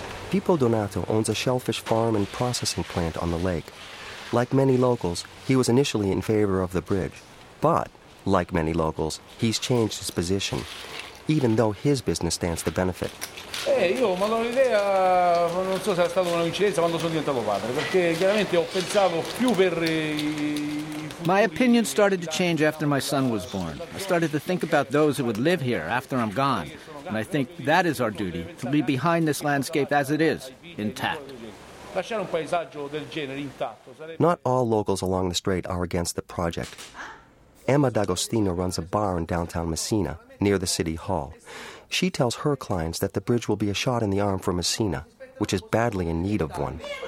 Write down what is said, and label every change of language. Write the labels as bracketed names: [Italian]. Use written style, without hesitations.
[English] Pippo Donato owns a shellfish farm and processing plant on the lake. Like many locals, he was initially in favor of the bridge, but like many locals, he's changed his position, even though his business stands to benefit. [Italian] Io ma non ho idea, non so se è stata una coincidenza quando sono diventato padre, perché chiaramente ho pensato più per. [English] My opinion started to change after my son was born. I started to think about those who would live here after I'm gone, and I think that is our duty, to leave behind this landscape as it is, intact. [Italian] Lasciare un paesaggio del genere intatto. [English] Not all locals along the strait are against the project. Emma D'Agostino runs a bar in downtown Messina, near the city hall. She tells her clients that the bridge will be a shot in the arm for Messina, which is badly in need of one.